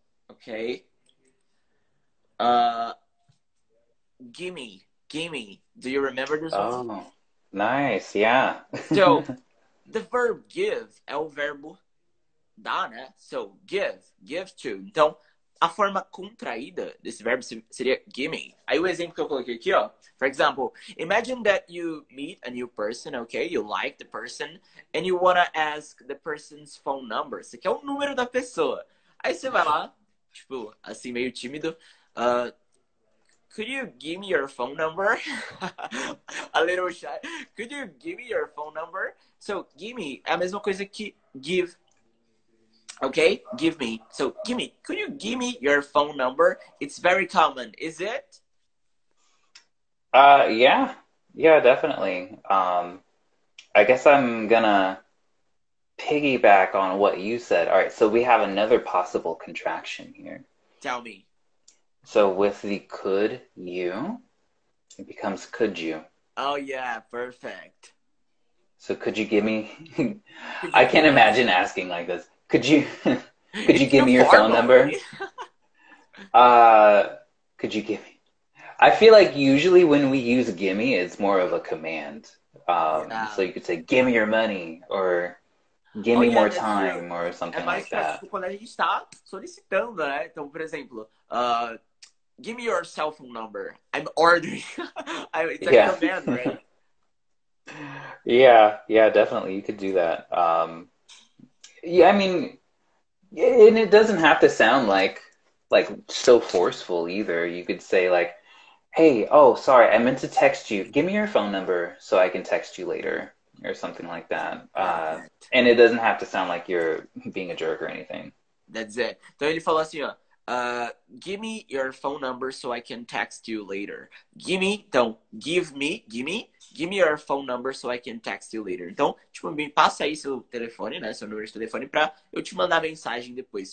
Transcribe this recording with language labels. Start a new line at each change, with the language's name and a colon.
English: Okay. Gimme. Gimme. Do you remember this oh, one? Oh, nice. Yeah. So, the verb give
Portuguese: é o verbo dá, né?
English: So, give to.
Portuguese: Então, a forma contraída desse verbo seria gimme. Aí o exemplo que eu coloquei aqui, ó.
English: For example, imagine that you meet a new person, okay? You like the person and you wanna ask the person's phone number.
Portuguese: Isso aqui é o número da pessoa. Aí você vai lá, tipo, assim, meio tímido.
English: Could you give me your phone number? A little shy. Could you give me your phone number? So, gimme
Portuguese: é a mesma coisa que give.
English: Okay, give me. So, give me. Could you give me your phone number? It's very common, is it? Yeah. Yeah, definitely. I guess I'm gonna piggyback on what you said. All right, so we have another possible contraction here. Tell me. So, with the could you, it becomes could you. Oh, yeah, perfect. So, could you give me... I can't imagine asking like this. Could you give me your phone number? Could you give me? I feel like usually when we use gimme, it's more of a command. So you could say, give me your money, or give me more time, or something like that.
Portuguese: É mais quando a gente está solicitando, né? Então, por exemplo,
English: give me your cell phone number. I'm ordering. It's a yeah. command, right? yeah, definitely. You could do that. Yeah, I mean, and it doesn't have to sound like so forceful either. You could say like, hey, oh, sorry, I meant to text you. Give me your phone number so I can text you later or something like that. And it doesn't have to sound like you're being a jerk or anything. That's it.
Portuguese: Então ele falou assim, ó,
English: Give me your phone number so I can text you later. Give me, então, give me your phone number so I can text you later.
Portuguese: Então, tipo, me passa aí seu telefone, né, seu número de telefone pra eu te mandar mensagem depois.